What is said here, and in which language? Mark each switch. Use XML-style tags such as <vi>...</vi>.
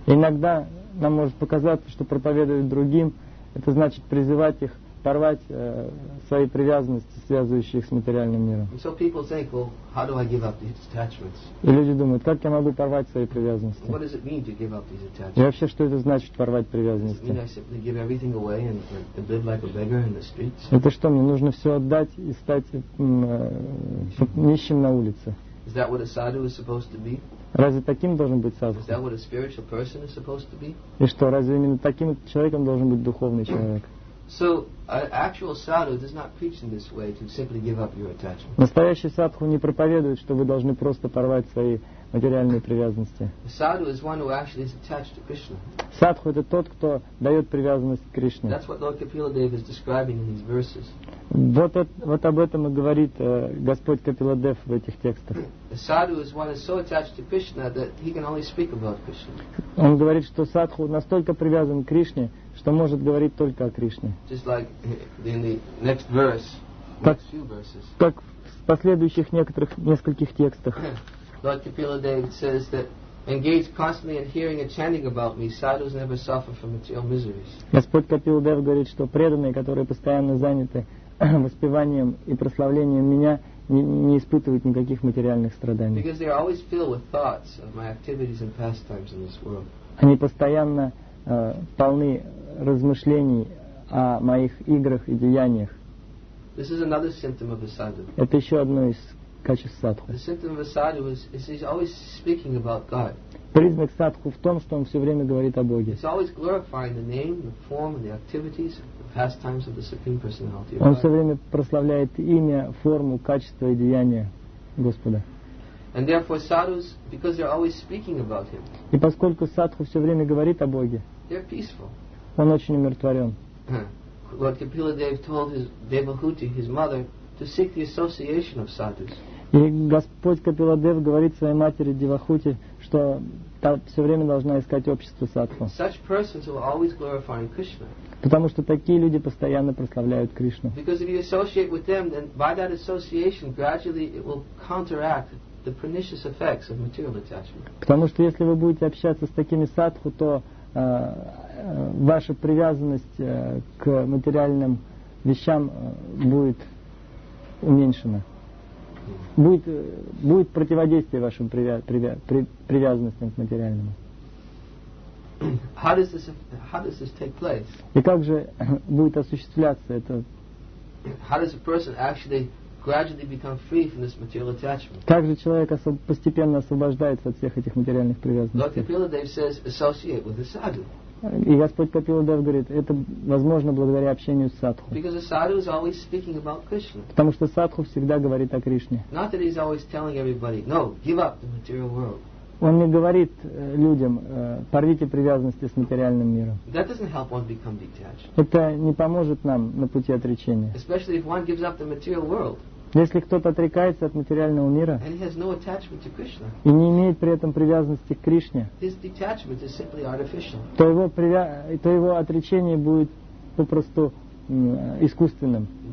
<ru>Иногда нам может показаться, что проповедовать другим, это значит призывать их порвать свои привязанности, связывающие их с материальным миром.</ru> <en>And so people think, well, how do I give up these attachments?</en> <ru>И люди думают, как я могу порвать свои привязанности?</ru> <en>What does it mean to give up these attachments?</en> <ru>И вообще, что это значит порвать привязанности?</ru> <en>Does it mean I simply give everything away and live like a beggar in the streets?</en> <ru>Это что, мне нужно все отдать и стать нищим на улице?</ru> <en>Is that what a sadhu is supposed to be?</en> <ru>Разве таким должен быть садху?</ru> <en>Is that what a spiritual person is supposed to be?</en> <ru>И что, разве именно таким человеком должен быть духовный человек?</ru> <en>So, an actual sadhu does not preach in this way to simply give up your attachment.</en> <ru>Настоящий садху не проповедует, что вы должны просто порвать свои материальные привязанности.</ru> <en>A sadhu is one who actually is attached to Krishna.</en> <ru>Садху это тот, кто дает привязанность к Кришне.</ru> <en>That's what Lord Kapiladeva is describing in these verses.</en> <ru>Вот об этом и говорит Господь Капиладев в этих текстах.</ru> <en>A sadhu is one who is so attached to Krishna that he can only speak about Krishna.</en> <ru>Он говорит, что садху настолько привязан к Кришне, что может говорить только о Кришне.</ru> <en>Just like in the next verse, next few verses.</en> <ru>Как в последующих нескольких текстах.</ru> <en>Lord Kapiladeva says that engaged constantly in hearing and chanting about me, sadhus never suffer from material miseries.</en> <ru>Господь Капиладев говорит, что преданные, которые постоянно заняты воспеванием и прославлением меня, не испытывают никаких материальных страданий.</ru> <en>Because they are always filled with thoughts of my activities and pastimes in this world.</en> <ru>Они постоянно полны размышлений о моих играх и деяниях.</ru> <en>This is another symptom of a sadhu.</en> <ru>Это еще одно из качеств садху.</ru> <en>The symptom of a sadhu is he's always speaking about God.</en> <ru>Признак садху в том, что он все время говорит о Боге.</ru> <en>He's always glorifying the name, the form, and the activities, the pastimes of the Supreme Personality.</en> <ru>Он все время прославляет имя, форму, качество и деяния Господа.</ru> <en>And therefore sadhus, because they're always speaking about him.</en> <ru>И поскольку садху все время говорит о Боге.</ru> <en>They're peaceful.</en> <ru>Он очень умиротворен.</ru> <en>Lord Kapila Dev told his Devahuti, his mother, to seek the association of sadhus.</en> <ru>И Господь Капила Дев говорит своей матери Девахути, что та все время должна искать общество садху.</ru> <en>Such persons will always glorify Krishna.</en> <ru>Потому что такие люди постоянно прославляют Кришну.</ru> <en>Because if you associate with them, then by that association, gradually it will counteract the pernicious effects of material attachment.</en> <ru>Потому что если вы будете общаться с такими садху, то ваша привязанность к материальным вещам будет уменьшена. Будет противодействие вашим привязанностям к материальному.</ru> <en>How does this take place?</en> <ru>И как же будет осуществляться это?</ru> <en>How does a person actually gradually become free from this material attachment?</en> <ru>Как же человек постепенно освобождается от всех этих материальных привязанностей?</ru> <en>Lord Kapiladev says, associate with the sadhu.</en> <ru>И Господь Капиладев говорит, это возможно благодаря общению с садху.</ru> <en>Because the sadhu is always speaking about Krishna.</en> <ru>Потому что садху всегда говорит о Кришне.</ru> <en>Not that he's always telling everybody, no, give up the material world.</en> <ru>Он не говорит людям, порвите привязанности с материальным миром.</ru> <en>That doesn't help one become detached.</en> <ru>Это не поможет нам на пути отречения.</ru> <en>Especially if one gives up the material world.</en> <ru>Если кто-то отрекается от материального мира no и не имеет при этом привязанности к Кришне, то его отречение будет попросту искусственным.</ru>